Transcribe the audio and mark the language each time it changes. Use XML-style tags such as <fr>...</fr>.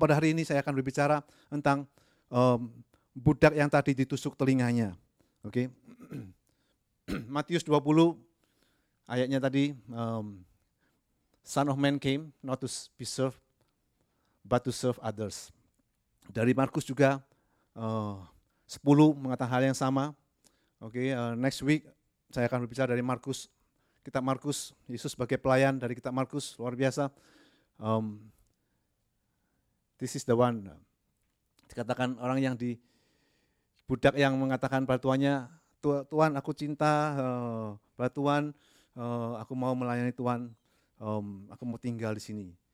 <id>Pada hari ini saya akan berbicara tentang budak yang tadi ditusuk telinganya. Oke. Okay. Matius 20 ayatnya tadi,</id> <en>Son of Man came not to be served but to serve others.</en> <id>Dari Markus juga 10 mengatakan hal yang sama. Oke, okay,</id> <en>next week</en> <id>saya akan berbicara dari Markus, kitab Markus, Yesus sebagai pelayan dari kitab Markus, luar biasa.</id> <en>This is the one,</en> <id>dikatakan orang yang di budak yang mengatakan pada tuannya, Tuan aku cinta pada Tuan, aku mau melayani Tuan, aku mau tinggal di sini.</id>